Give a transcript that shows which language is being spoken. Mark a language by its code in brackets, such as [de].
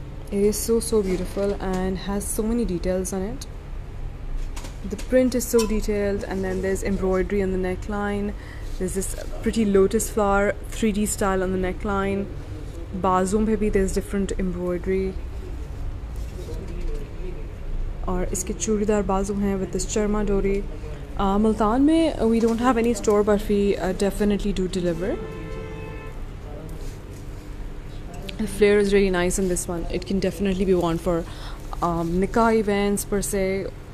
[en] It is so, so beautiful and has so many details on it. The print is so detailed, and then there's embroidery on the neckline. There's this pretty lotus flower 3D style on the neckline. [ur] بازوؤں پہ بھی [en] there's different embroidery. [ur] اور اس کے چوڑی دار بازوؤں ہے [en] with this charma dori. Multan mein we don't have any store, but we definitely do deliver. The flare is really nice in this one. It can definitely be worn for nikah events per se.